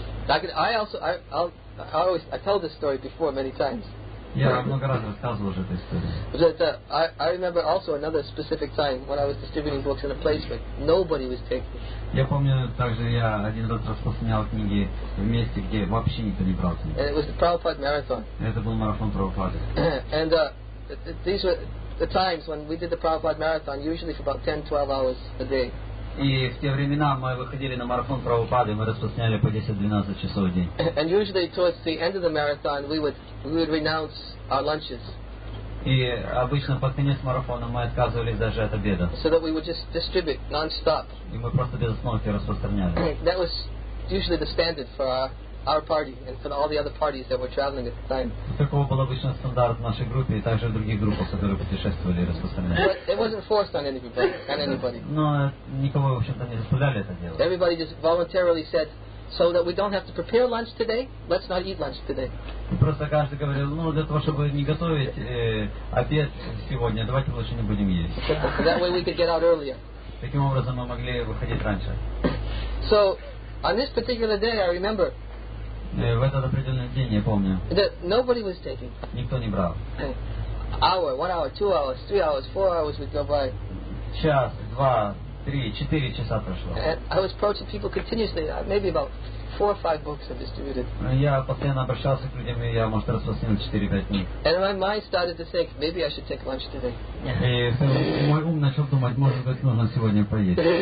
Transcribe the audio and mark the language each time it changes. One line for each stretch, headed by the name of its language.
English: I tell this story before many times.
Russian: Я много раз рассказывал уже эту историю.
English: But I remember also another specific time when I was distributing books in a place where nobody was taking.
Russian: Я помню также я один раз распространял книги в месте, где вообще никто не брал книги.
English: And it was the Prabhupada Marathon.
Russian: Это был марафон Прабхупады.
English: And these were the times when we did the Prabhupada Marathon, usually for about 10-12 hours a day.
Russian: И в те времена мы выходили на марафон Прабхупады, мы распространяли по 10-12 часов в день.
English: And usually towards the end of the marathon, we would renounce our lunches.
Russian: И обычно под конец марафона мы отказывались даже от обеда.
English: So that we would just distribute non-stop.
Russian: И мы просто без остановки распространяли.
English: That was usually the standard for our party and for all the other parties that were traveling at the time.
Russian: Такого был обычно стандарт в нашей группе и также в других группах, которые путешествовали и распространяли.
English: But it wasn't forced on anybody.
Russian: Но никого, в общем-то, не заставляли это делать.
English: Everybody just voluntarily said, so that we don't have to prepare lunch today, let's not eat lunch today.
Russian: Просто каждый говорил, ну, для того, чтобы не готовить обед сегодня, давайте лучше не будем есть.
English: So that way we could get out earlier.
Russian: Таким образом мы могли выходить раньше.
English: So, on this particular day, I remember,
Russian: в этот определенный день, я помню,
English: that nobody was taking.
Russian: Никто не брал.
English: Hour, 1 hour, 2 hours, 3 hours, 4 hours would go by.
Russian: Час, два, три, 4 часа прошло.
English: And I was approaching people continuously, maybe about 4 or 5 books I distributed.
Russian: Я постоянно обращался к людям, и я, может, распространил 4-5 книг.
English: And my mind started to think, maybe I should take lunch today.
Russian: И мой ум начал думать, может быть, нужно сегодня поесть.